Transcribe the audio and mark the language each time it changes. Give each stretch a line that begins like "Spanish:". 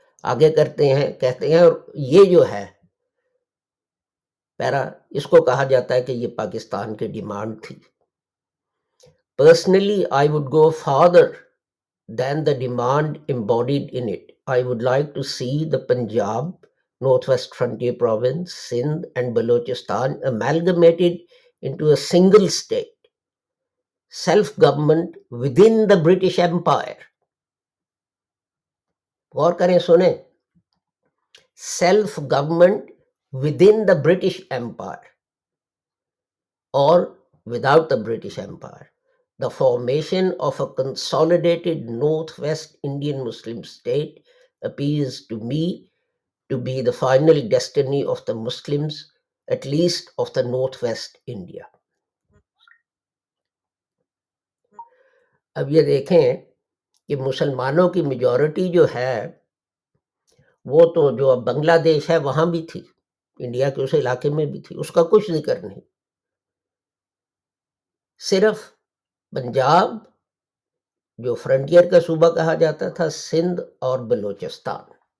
Urdu: آگے کرتے ہیں، کہتے ہیں اور یہ جو ہے پیرا، اس کو کہا جاتا ہے کہ یہ پاکستان کی ڈیمانڈ تھی۔
English: Personally I would go further than the demand embodied in it, I would like to see the Punjab North West Frontier Province, Sindh and Balochistan amalgamated into a single state, self-government within the British Empire.
Urdu: غور کریں سنیں،
English: self-government within the British Empire or without the British Empire, the formation of a consolidated North West Indian Muslim state appears to me to be the final destiny of the Muslims, at least of the Northwest India.
Urdu: اب یہ دیکھیں کہ مسلمانوں کی majority جو ہے وہ تو جو اب بنگلہ دیش ہے وہاں بھی تھی، انڈیا کے اس علاقے میں بھی تھی، اس کا کچھ ذکر نہیں، صرف پنجاب جو فرنٹیئر کا صوبہ کہا جاتا تھا، سندھ اور بلوچستان،